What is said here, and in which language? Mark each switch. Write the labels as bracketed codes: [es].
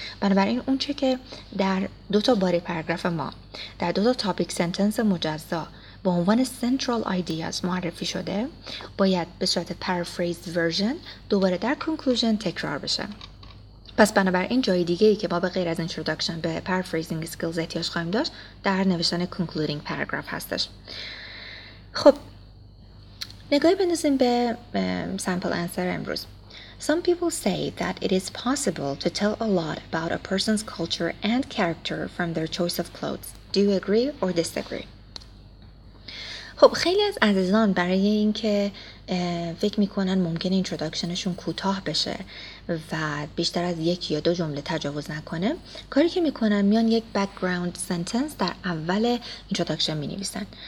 [fa] بنابراین اون چه که در دوتا باری پاراگراف ما در دوتا تاپیک سنتنس مجزا به عنوان سنترال ایدیاز معرفی شده، باید به صورت پارافریز ورژن دوباره در کنکلوژن تکرار بشه. پس بنابراین جای دیگه ای که ما به غیر از introduction به [en] paraphrasing skills [fa] احتیاج خواهیم داشت در نوشتن [en] concluding paragraph [fa] هستش. خب نگاهی بندازیم به [en] sample answer [fa] امروز. [en] Some people say that it is possible to tell a lot about a person's culture and character from their choice of clothes. Do you agree or disagree? [fa] خب خیلی از عزیزان برای اینکه فکر میکنن ممکنه اینتروداکشنشون کوتاه بشه و بیشتر از یک یا دو جمله تجاوز نکنه، کاری که میکنن میان یک بک‌گراند سنتنس در اول اینتروداکشن مینویسن.